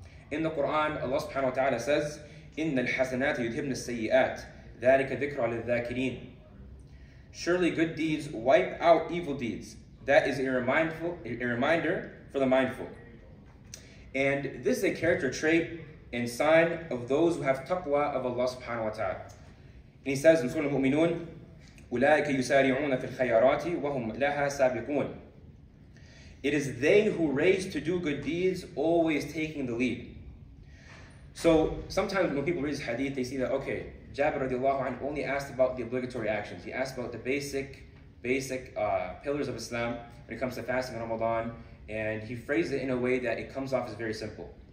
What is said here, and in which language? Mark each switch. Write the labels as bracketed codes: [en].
[en] In the Quran, Allah subhanahu wa ta'ala says, [ar] إِنَّ الْحَسَنَاتِ يُذْهِبْنَ السَّيِّئَاتِ ذَلِكَ ذِكْرَ لِلذَّاكِرِينَ. [en] Surely good deeds wipe out evil deeds. That is a reminder for the mindful. And this is a character trait and sign of those who have taqwa of Allah subhanahu wa ta'ala. And he says in Surah Al-Mu'minun, [ar] أُولَٰئِكَ يُسَارِعُونَ فِي الْخَيَارَاتِ وَهُمْ لَهَا سَابِقُونَ. [en] It is they who race to do good deeds, always taking the lead. So sometimes when people read this hadith, they see that, okay, Jabir radiallahu anhu only asked about the obligatory actions. He asked about the basic pillars of Islam when it comes to fasting and Ramadan, and he phrased it in a way that it comes off as very simple.